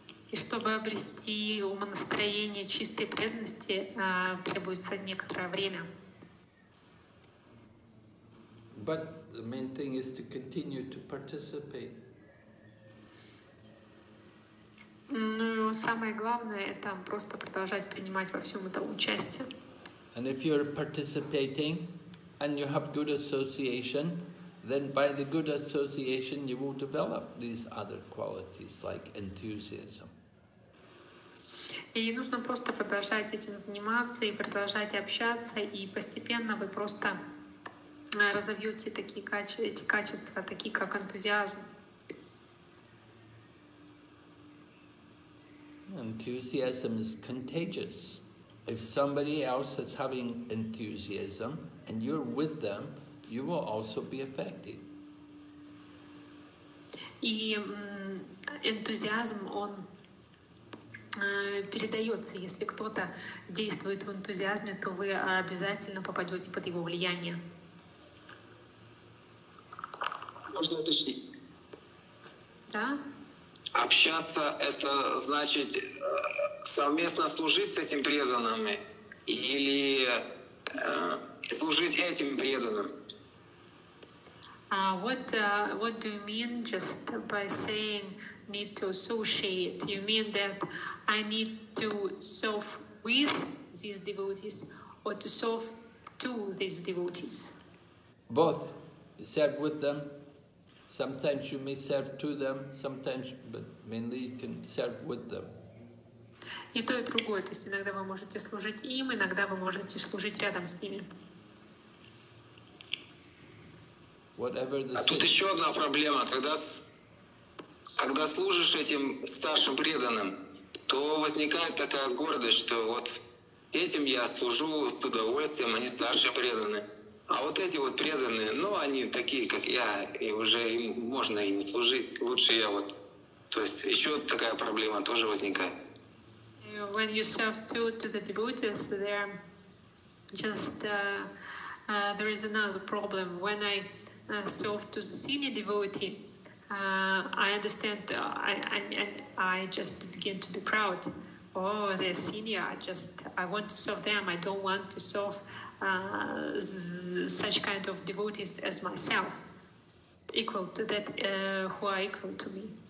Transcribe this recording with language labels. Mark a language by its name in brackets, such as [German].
[Russian] И чтобы обрести умонастроение чистой преданности, требуется некоторое время. [English] But the main thing is to continue to participate. [Russian] Ну, самое главное — это просто продолжать принимать во всем этом участие. [English] And if you're participating and you have good association, then by the good association you will develop these other qualities like enthusiasm. [Russian] И нужно просто продолжать этим заниматься и продолжать общаться, и постепенно вы просто разовьете такие качества, такие как энтузиазм. [English] Enthusiasm is contagious. If somebody else is having enthusiasm and you're with them, you will also be affected. [Russian] И энтузиазм, он передается. Если кто-то действует в энтузиазме, то вы обязательно попадете под его влияние. Можно уточнить? Да. Общаться — это значит совместно служить с этим преданным или служить этим преданным? [English] What do you mean just by saying need to associate? You mean that I need to serve with these devotees or to serve to these devotees? Both. Serve with them. Sometimes you may serve to them, sometimes, but mainly you can serve with them. [Russian] И то, и другое. То есть иногда вы можете служить им, иногда вы можете служить рядом с ними. [English] Whatever the situation. [Russian] А тут еще одна проблема. Когда служишь этим старшим преданным, то возникает такая гордость, что вот этим я служу с удовольствием, они старшие преданные. А вот эти вот преданные, ну, они такие, как я, и уже им можно и не служить, лучше я вот. То есть еще такая проблема тоже возникает. [English] When you serve to the devotees, there just there is another problem. When I serve to the senior devotee, I understand, I just begin to be proud. Oh, they're senior, I want to serve them, I don't want to serve such kind of devotees as myself, equal to that, who are equal to me.